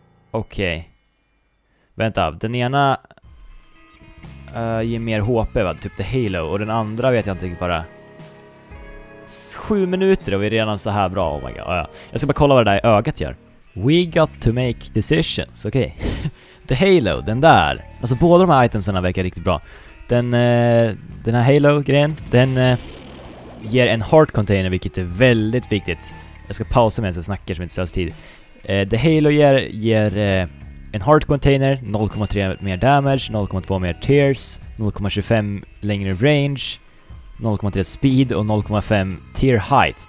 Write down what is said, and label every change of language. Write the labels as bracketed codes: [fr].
[sv] Okej. Vänta, den ena ger mer HP va, typ The Halo, och den andra vet jag inte riktigt bara. 7 minuter och vi är redan så här bra. [en] Oh my god. [sv] Oh, ja. Jag ska bara kolla vad det där ögat gör. [en] We got to make decisions. [sv] Okej. Okay. The Halo, den där. Alltså båda de här itemsen verkar riktigt bra. Den här Halo grejen, den ger en heart container, vilket är väldigt viktigt. Jag ska pausa medan jag snackar så vi inte ställs tid. The Halo ger en heart container, 0,3 mer damage, 0,2 mer tears, 0,25 längre range, 0,3 speed och 0,5 tear height.